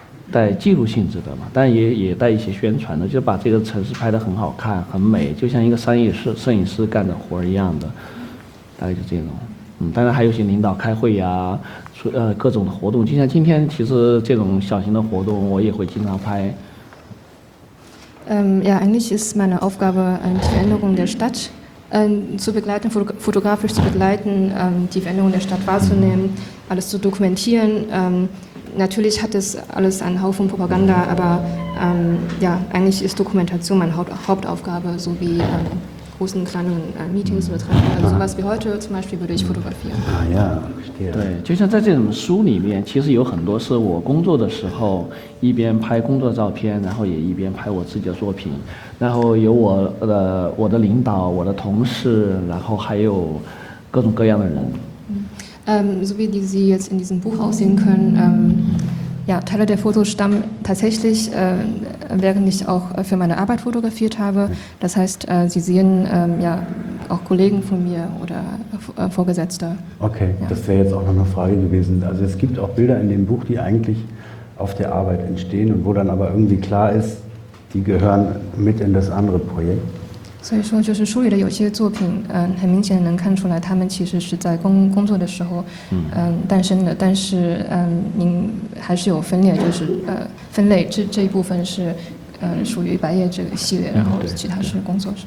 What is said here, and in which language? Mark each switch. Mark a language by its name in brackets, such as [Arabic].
[Chinese] 带记录性质的嘛，但也带一些宣传的，就把这个城市拍得很好看、很美，就像一个商业摄影师干的活儿一样的，大概就这种。当然还有些领导开会呀，各种的活动，就像今天其实这种小型的活动，我也会经常拍。 [German] Ja, eigentlich ist meine Aufgabe, die Veränderung der Stadt zu begleiten, fotografisch zu begleiten, die Veränderung der Stadt wahrzunehmen, alles zu dokumentieren. Natürlich hat es alles einen Haufen Propaganda, aber eigentlich ist Dokumentation meine Hauptaufgabe, so wie großen, kleinen Meetings betreiben. Also sowas wie heute zum Beispiel würde ich fotografieren. Ah ja, verstehe. [Chinese] 对，就像在这种书里面，其实有很多是我工作的时候一边拍工作照片，然后也一边拍我自己的作品。然后有我的领导、我的同事，然后还有各种各样的人。 [German] So wie die Sie jetzt in diesem Buch aussehen können, Teile der Fotos stammen tatsächlich, während ich auch für meine Arbeit fotografiert habe. Das heißt, Sie sehen auch Kollegen von mir oder Vorgesetzte. Okay, ja. Das wäre jetzt auch noch eine Frage gewesen. Also es gibt auch Bilder in dem Buch, die eigentlich auf der Arbeit entstehen und wo dann aber irgendwie klar ist, die gehören mit in das andere Projekt. [Chinese] 所以说，就是书里的有些作品，很明显能看出来，他们其实是在工作的时候，诞生的。但是，您还是有分裂，就是分类这一部分是，属于白夜这个系列，然后其他是工作。